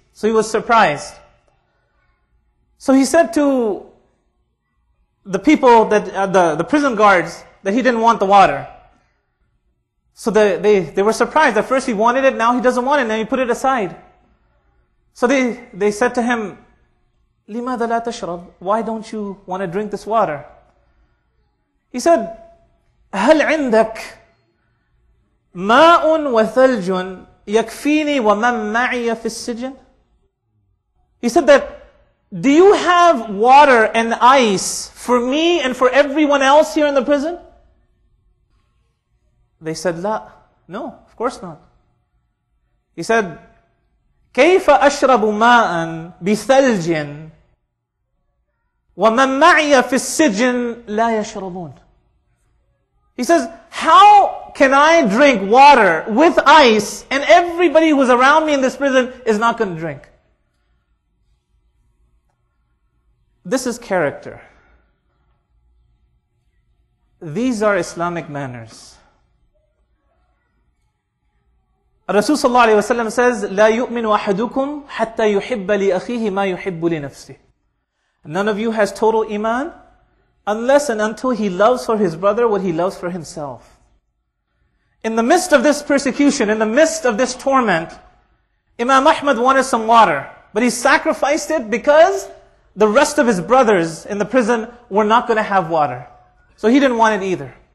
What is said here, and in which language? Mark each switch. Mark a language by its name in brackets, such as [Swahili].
[English] So he was surprised. So he said to the people, the prison guards, that he didn't want the water. So they were surprised. At first he wanted it, now he doesn't want it, now he put it aside. So they said to him, [Arabic] لِمَاذَ لَا تَشْرَبْ? [English] Why don't you want to drink this water? He said, [Arabic] هَلْ عِنْدَكْ مَاءٌ وَثَلْجٌ يَكْفِينِي وَمَنْ مَعِيَ فِي السِّجِنِ. [English] He said that, do you have water and ice for me and for everyone else here in the prison? They said, [Arabic] لا. [English] No, of course not. He said, [Arabic] كَيْفَ أَشْرَبُ مَاءً بِثَلْجٍ وَمَنْ مَعِيَ فِي السِّجِنِ لَا يَشْرَبُونَ. [English] He says, how can I drink water with ice and everybody who's around me in this prison is not going to drink? This is character. These are Islamic manners. [Arabic] Rasulullah صلى الله عليه وسلم [English] says, [Arabic] لا يؤمن أحدكم حتى يحب لأخيه ما يحب لنفسه. [English] None of you has total iman unless and until he loves for his brother what he loves for himself. In the midst of this persecution, in the midst of this torment, Imam Ahmad wanted some water, but he sacrificed it because the rest of his brothers in the prison were not going to have water. So he didn't want it either.